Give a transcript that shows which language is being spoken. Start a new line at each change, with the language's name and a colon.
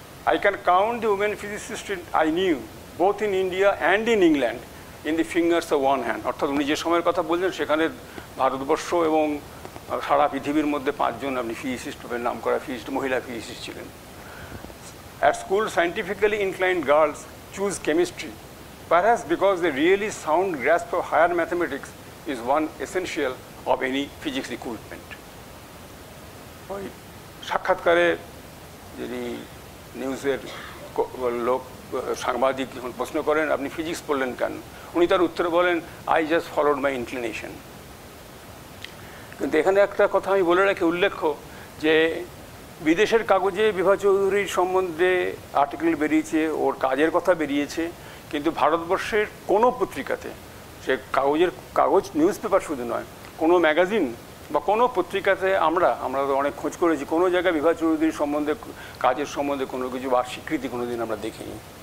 English: I can count the women physicist I knew both in India and in England in the fingers of one hand.
Bangla: অর্থাৎ উনি যে সময়ের কথা বলছেন সেখানে ভারতবর্ষ এবং সারা পৃথিবীর মধ্যে 5 জন আপনি ফিজিসিস্ট পাবেন, নাম করা ফিজিস্ট, মহিলা ফিজিসিস্ট ছিলেন।
English: At school, scientifically inclined girls choose chemistry, perhaps because the really sound grasp of higher mathematics is one essential of any physics equipment.
Bangla: সাক্ষাৎকারে যিনি নিউজের লোক সাংবাদিক যখন প্রশ্ন করেন আপনি ফিজিক্স পড়লেন কেন, উনি তার উত্তরে বলেন
English: I just followed my inclination.
Bangla: কিন্তু এখানে একটা কথা আমি বলে রাখি উল্লেখ্য যে বিদেশের কাগজে বিভা চৌধুরীর সম্বন্ধে আর্টিকেল বেরিয়েছে, ওর কাজের কথা বেরিয়েছে, কিন্তু ভারতবর্ষের কোনো পত্রিকাতে, সে কাগজের কাগজ নিউজ পেপার শুধু নয়, কোনো ম্যাগাজিন বা কোনো পত্রিকাতে আমরা তো অনেক খোঁজ করেছি, কোনো জায়গায় বিভা চৌধুরীর সম্বন্ধে কাজের সম্বন্ধে কোনো কিছু বা স্বীকৃতি কোনো দিন আমরা দেখিনি।